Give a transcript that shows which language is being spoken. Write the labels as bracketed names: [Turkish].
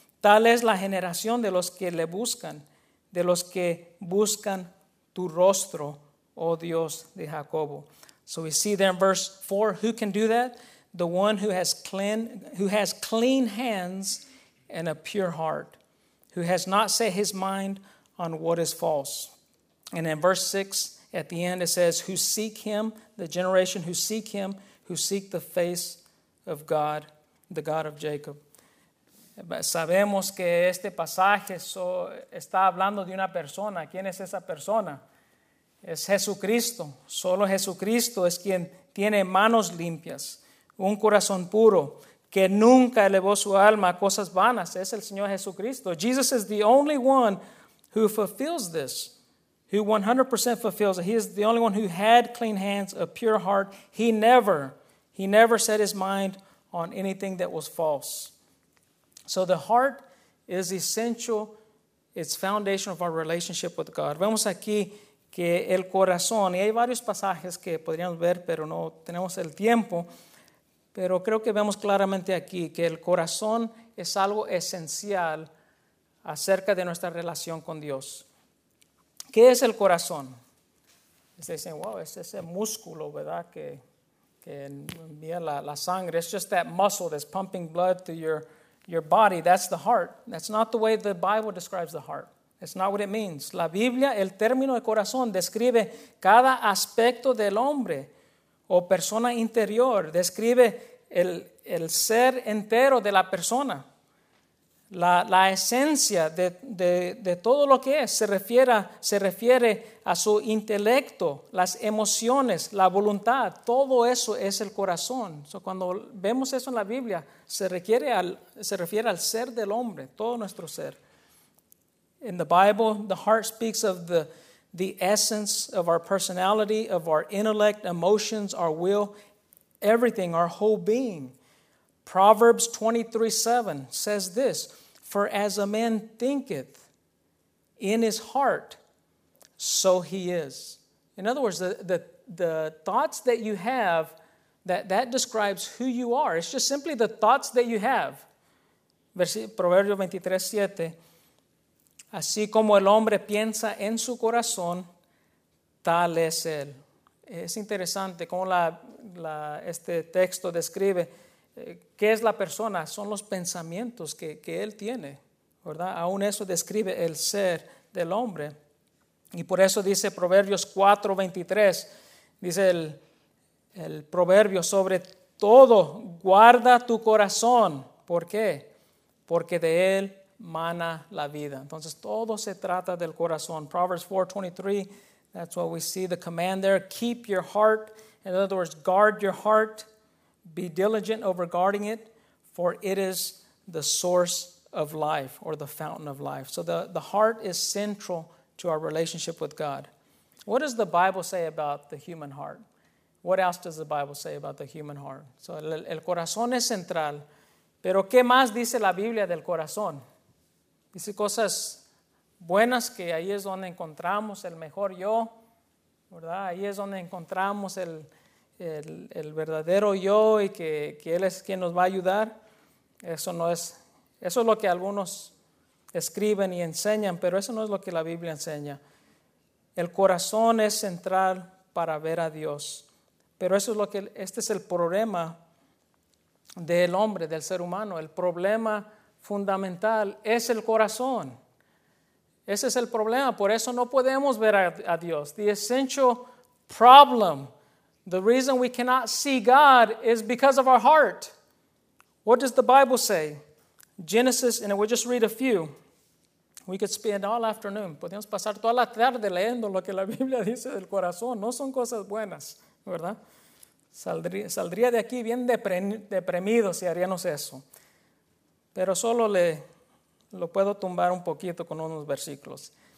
[Spanish] Tal es la generación de los que le buscan, de los que buscan tu rostro, oh Dios de Jacobo. [English] So we see there in verse 4, who can do that? The one who has clean hands and a pure heart, who has not set his mind on what is false. And in verse 6, at the end, it says, who seek him, the generation who seek him, who seek the face of God, the God of Jacob. [Spanish] Sabemos que este pasaje está hablando de una persona. ¿Quién es esa persona? Es Jesucristo. Solo Jesucristo es quien tiene manos limpias, un corazón puro, que nunca elevó su alma a cosas vanas. Es el Señor Jesucristo. [English] Jesus is the only one who fulfills this, who 100% fulfills it. He is the only one who had clean hands, a pure heart. He never set his mind on anything that was false. So the heart is essential. It's foundation of our relationship with God. [Spanish] Vemos aquí que el corazón, y hay varios pasajes que podríamos ver, pero no tenemos el tiempo. Pero creo que vemos claramente aquí que el corazón es algo esencial acerca de nuestra relación con Dios. ¿Qué es el corazón? [English] They say, wow, [Spanish] es ese músculo, ¿verdad? Que envía la sangre. [English] It's just that muscle that's pumping blood to your body. That's the heart. That's not the way the Bible describes the heart. That's not what it means. [Spanish] La Biblia, el término de corazón, describe cada aspecto del hombre o persona interior. Describe el ser entero de la persona. La esencia de todo lo que es se refiere a su intelecto, las emociones, la voluntad. Todo eso es el corazón. So cuando vemos eso en la Biblia, se refiere al ser del hombre, todo nuestro ser. [English] In the Bible, the heart speaks of the essence of our personality, of our intellect, emotions, our will, everything, our whole being. Proverbs 23:7 says this, for as a man thinketh in his heart, so he is. In other words, the thoughts that you have, that describes who you are. It's just simply the thoughts that you have. [Spanish] Proverbio 23:7, así como el hombre piensa en su corazón, tal es él. Es interesante cómo este texto describe. ¿Qué es la persona? Son los pensamientos que él tiene. ¿verdad? Aún eso describe el ser del hombre. Y por eso dice Proverbios 4:23, dice el proverbio: sobre todo guarda tu corazón. ¿Por qué? Porque de él mana la vida. Entonces todo se trata del corazón. [English] Proverbs 4:23, that's what we see, the command there: keep your heart. In other words, guard your heart, be diligent over guarding it, for it is the source of life, or the fountain of life. So the heart is central to our relationship with God. What does the Bible say about the human heart? What else does the Bible say about the human heart? [Spanish] So el corazón es central, pero ¿qué más dice la Biblia del corazón? Dice cosas buenas, que ahí es donde encontramos el mejor yo, ¿verdad? Ahí es donde encontramos el verdadero yo, y que Él es quien nos va a ayudar. Eso es lo que algunos escriben y enseñan, pero eso no es lo que la Biblia enseña. El corazón es central para ver a Dios. Pero eso es lo que, este es el problema del hombre, del ser humano. El problema fundamental es el corazón. Ese es el problema, por eso no podemos ver a Dios. [English] The essential problem, the reason we cannot see God, is because of our heart. What does the Bible say? Genesis, and we'll just read a few. We could spend all afternoon. [Spanish] Podemos pasar toda la tarde leyendo lo que la Biblia dice del corazón. No son cosas buenas, ¿verdad? Saldría de aquí bien deprimido si haríamos eso. Pero solo lo puedo tumbar un poquito con unos versículos.